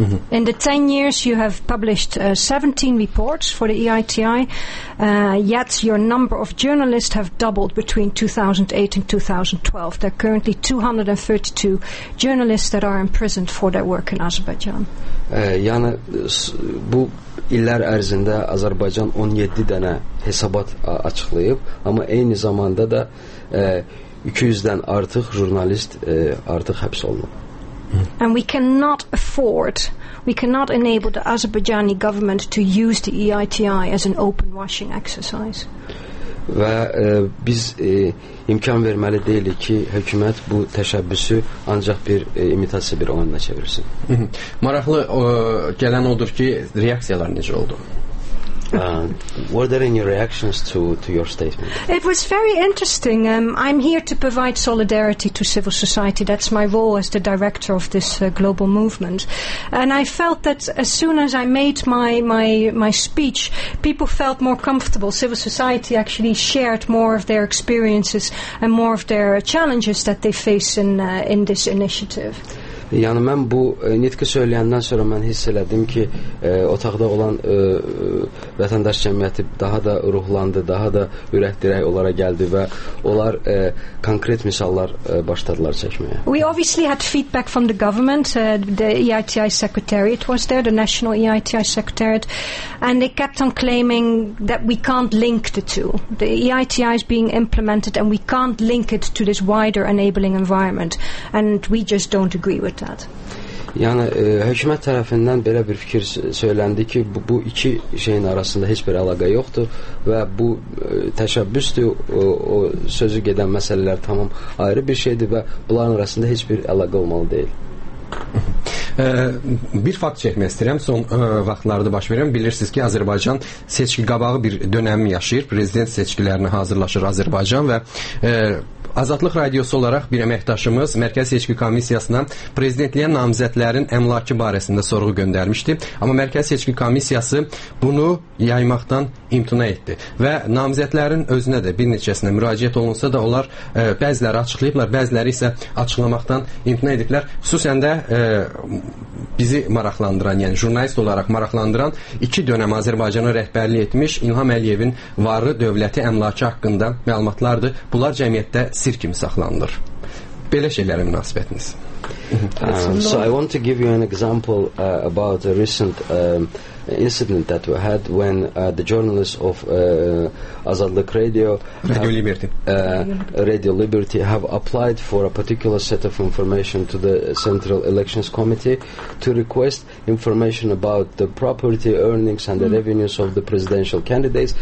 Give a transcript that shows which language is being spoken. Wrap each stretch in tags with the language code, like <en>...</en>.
<en>In the 10 years you have published 17 reports for the EITI, yet your number of journalists have doubled between 2008 and 2012. There are currently 232 journalists that are imprisoned for their work in Azerbaijan.</en> <az>Yani bu illər ərzində Azərbaycan 17 dənə hesabat açıqlayıb, amma eyni zamanda da 200-dən artıq jurnalist artıq həbs olunub.</az> <en>And we cannot enable the Azerbaijani government to use the EITI as an open washing exercise.</en> <az>Və biz imkan verməli deyilik ki, hökumət bu təşəbbüsü ancaq bir imitasiya bir oyunla çevirsin. Maraqlı gələn odur ki, reaksiyalar necə oldu?</az> <en>Were there any reactions to your statement? It was very interesting. I'm here to provide solidarity to civil society. That's my role as the director of this global movement. And I felt that as soon as I made my speech, people felt more comfortable. Civil society actually shared more of their experiences and more of their challenges that they face in this initiative.</en> <az>Yəni mən bu nitqi söyləyəndən sonra mən hiss elədim ki, otaqda olan vətəndaş cəmiyyəti daha da ruhlandı, daha da ürək dirək onlara gəldi və onlar konkret misallar başladılar çəkməyə.</az> <en>We obviously had feedback from the government, the EITI secretariat was there, the national EITI secretariat, and they kept on claiming that we can't link the two. The EITI is being implemented and we can't link it to this wider enabling environment and we just don't agree with that.</en> <az>Yəni hökumət tərəfindən belə bir fikir söyləndi ki, bu iki şeyin arasında heç bir əlaqə yoxdur və bu təşəbbüsdür, o sözü gedən məsələlər tamam ayrı bir şeydir və bunların arasında heç bir əlaqə olmalı deyil. Bir fakt çəkmək istəyirəm. Son vaxtlarda baş verən, bilirsiniz ki, Azərbaycan seçki qabağı bir dönəmi yaşayır. Prezident seçkilərini hazırlaşır Azərbaycan və Azadlıq Radiosu olaraq bir əməkdaşımız Mərkəz Seçki Komissiyasına prezidentliyə namizədlərin əmlakı barəsində sorğu göndərmişdi. Amma Mərkəz Seçki Komissiyası bunu yaymaqdan imtina etdi. Və namizədlərin özünə də bir neçəsinə müraciət olunsa da onlar bəziləri açıqlayıblar, bəziləri isə açıqlamaqdan imtina ediblər. Xüsusən də bizi maraqlandıran, yəni jurnalist olaraq maraqlandıran iki dönəm Azərbaycanı rəhbərlik etmiş İlham Əliyevin varı dövləti əmlakı haqqında məlumatlardır. Bunlar cəmiyyətdə sir kimi saxlanılır. Belə şeylərə münasibətiniz.</az> <en>So I want to give you an example about a recent incident that we had when the journalists of Azadlık Radio Radio Liberty have applied for a particular set of information to the Central Elections Committee to request information about the property earnings and the revenues of the presidential candidates.</en>